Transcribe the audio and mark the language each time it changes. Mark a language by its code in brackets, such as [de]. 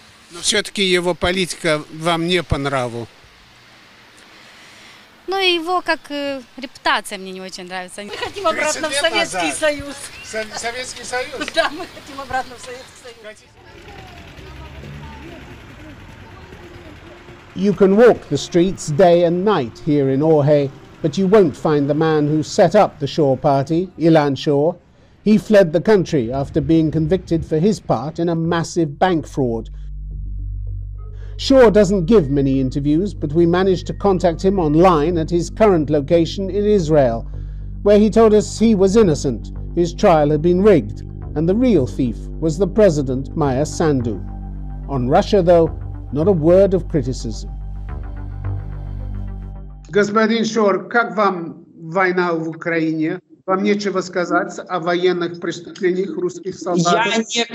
[ru] Но все-таки его политика вам не по нраву. Ну, его как репутация мне не очень нравится. Мы хотим обратно в Советский назад. Союз. Советский Союз? Да, мы хотим обратно в Советский Союз. [en] You can walk the streets day and night here in Orhe, but you won't find the man who set up the Shor party, Ilan Shor. He fled the country after being convicted for his part in a massive bank fraud. Shor doesn't give many interviews, but we managed to contact him online at his current location in Israel, where he told us he was innocent, his trial had been rigged, and the real thief was the president, Maia Sandu. On Russia, though, not a word of criticism. [ru] Господин Шор, как вам война в Украине? Вам нечего сказать о военных преступлениях русских солдат?